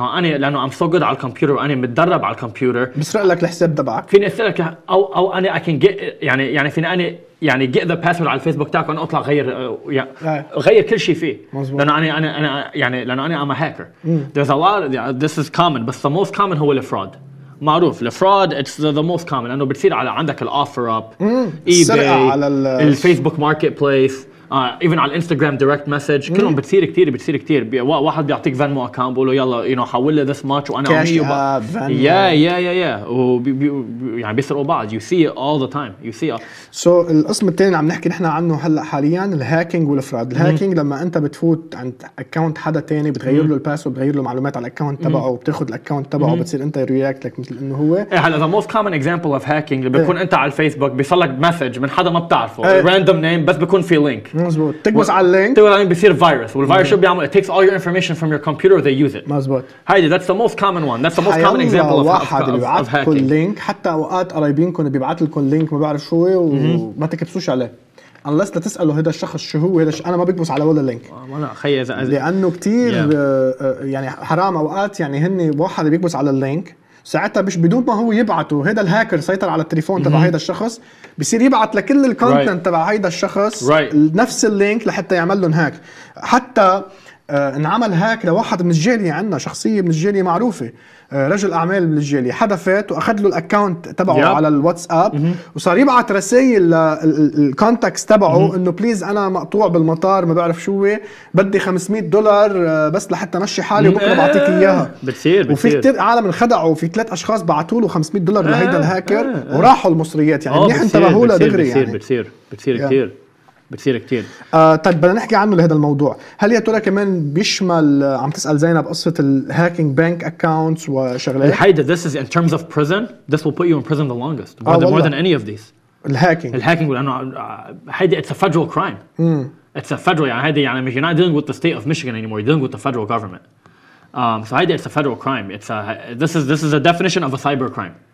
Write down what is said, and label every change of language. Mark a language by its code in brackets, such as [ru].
[ar] أنا لأنه [en] I'm so good [ar] على الكمبيوتر وأنا متدرب على الكمبيوتر. بسرق لك الحساب تبعك. فيني أسألك أو أنا [en] I can get [ar] يعني فيني أنا يعني [en] get the password [ar] على الفيسبوك تاعك وأنا أطلع غير غير كل شيء فيه. مزبوط. لأنه أنا يعني لأنه أنا [en] I'm a hacker. There's a lot of, this is common but the most common [ar] هو الفراد. معروف الفراد [en] it's the most common [ar] لأنه بتصير على عندك الأوفر أب. eBay. السرقة على الفيسبوك ماركت بليس. even على الانستغرام دايركت مسج كلهم بتصير كتير بتصير كتير واحد بيعطيك فانمو اكاونت بقول له يلا [en] you know [ar] حول لي [en] this much [ar] وانا اعمل يو يا يا يا يا يعني بيسرقوا بعض [en] you see all the time you see [ar] سو القسم الثاني اللي عم نحكي نحن عنه هلا حاليا الهاكينج والفراد. الهاكينج لما انت بتفوت عند اكاونت حدا تاني بتغير له الباسورد بتغير له معلومات على الاكاونت تبعه وبتاخذ الاكاونت تبعه بتصير انت رياكت لك مثل انه هو هلا [en] the most common example of hacking [ar] اللي بيكون انت على الفيسبوك بيصل لك مسج من حدا ما بتعرفه راندوم نيم بس بيكون في لينك مزبوط تقبس على اللينك تقول عليه بيصير فيروس والفيروس شو بيعمل [en] it takes all your information from your computer they use it [ar] مزبوط [en] هيدي that's the most common one that's the most common example of hacking [ar] واحد بيبعث لكم لينك حتى اوقات قرايبينكم بيبعث لكم لينك ما بعرف شو وما تكبسوش عليه unless لتسألوا هذا الشخص شو هو هذا انا ما بكبس على ولا لينك لانه كتير يعني حرام اوقات يعني هن واحد بيكبس على اللينك ساعتها مش بدون ما هو يبعته هذا الهاكر سيطر على التليفون تبع هذا الشخص بيصير يبعث لكل الكونتنت تبع هذا الشخص نفس اللينك لحتى يعمل لهم هاك حتى انعمل هاك لواحد من الجالية عندنا شخصية من الجالية معروفة رجل أعمال من الجالية حدا فات وأخذ له الأكاونت تبعه على الواتس أب وصار يبعث رسائل للكونتاكس تبعه إنه بليز أنا مقطوع بالمطار ما بعرف شو بدي 500 دولار بس لحتى مشي حالي وبكرة بعطيك إياها بتصير وفي كتير عالم انخدعوا وفي ثلاث أشخاص بعثوا له 500 دولار لهيدا الهاكر وراحوا المصريات يعني منيح انتبهوا له دغري يعني بتصير كتير بتصير كتير. طيب بدنا نحكي عنه لهذا الموضوع. هل يا ترى كمان بيشمل عم تسأل زينب قصة الهاكينج بانك اكاونتس وشغلات؟ [en] هيدا this is in terms of prison. This will put you in prison the longest. More than any of these. [ar] الهاكينج. الهاكينج لأنه هيدا [en] it's a federal crime. It's a federal [ar] يعني هيدا يعني [en] you're not dealing with the state of Michigan anymore. You're dealing with the federal government. So هيدا it's a federal crime. It's a this is a definition of a cyber crime.